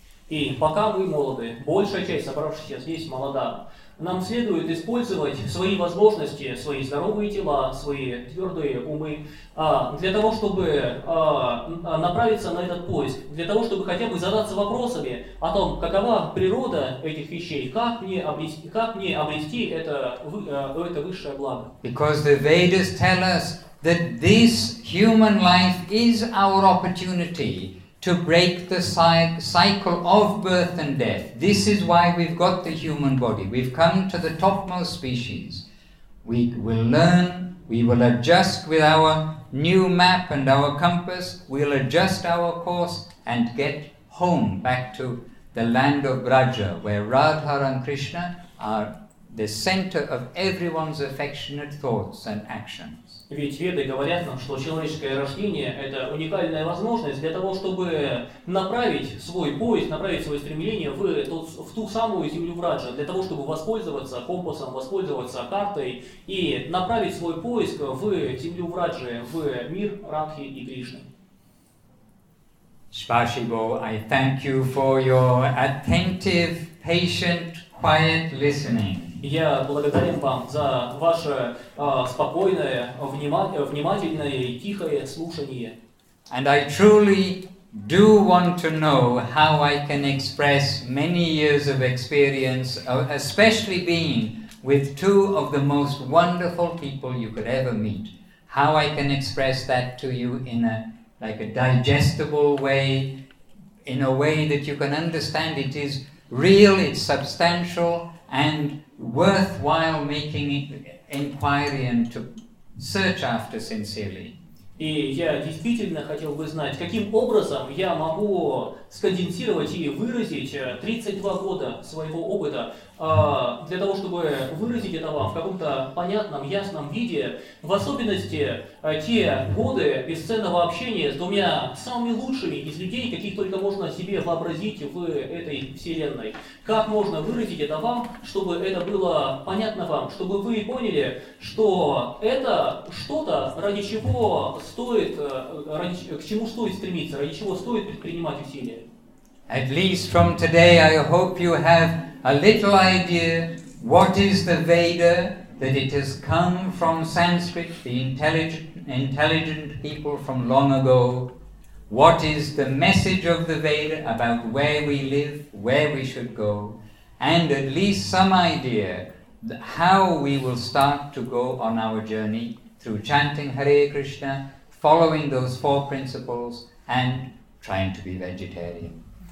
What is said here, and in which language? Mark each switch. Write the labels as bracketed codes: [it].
[ru] И пока вы молоды, большая часть собравшихся здесь молода, нам следует использовать свои возможности, свои здоровые тела, свои твердые умы для того, чтобы направиться на этот поиск, для того, чтобы хотя бы задаться вопросами о том, какова природа этих вещей, как мне обрести это высшее благо. [en] Because the Vedas tell us that this human life is our opportunity to break the cycle of birth and death. This is why we've got the human body. We've come to the topmost species. We will learn, we will adjust with our new map and our compass, we'll adjust our course and get home back to the land of Braja, where Radha and Krishna are the center of everyone's affectionate thoughts and actions. [ru] Ведь веды говорят нам, что человеческое рождение – это уникальная возможность для того, чтобы направить свой поиск, направить свое стремление в ту самую землю Враджа, для того, чтобы воспользоваться компасом, воспользоваться картой и направить свой поиск в землю Враджа, в мир Радхи и Кришны. [en] Спасибо, I thank you for your attentive, patient, quiet listening. [ru] Я благодарен вам за ваше спокойное, внимательное и тихое слушание. [en] And I truly do want to know how I can express many years of experience, especially being with two of the most wonderful people you could ever meet. How I can express that to you in a like a digestible way, in a way that you can understand it is real, it's substantial, and worthwhile making inquiry and to search after sincerely. [ru] И я действительно хотел бы знать, каким образом я могу сконденсировать и выразить 32 года своего опыта для того, чтобы выразить это вам в каком-то понятном, ясном виде, в особенности те годы бесценного общения с двумя самыми лучшими из людей, каких только можно себе вообразить в этой вселенной. Как можно выразить это вам, чтобы это было понятно вам, чтобы вы поняли, что это что-то, ради чего стоит, к чему стоит стремиться, ради чего стоит предпринимать усилия. [en] At least from today, I hope you have a little idea what is the Veda, that it has come from Sanskrit, the intelligent people from long ago. What is the message of the Veda about where we live, where we should go, and at least some idea how we will start to go on our journey through chanting Hare Krishna, following those four principles, and trying to be vegetarian.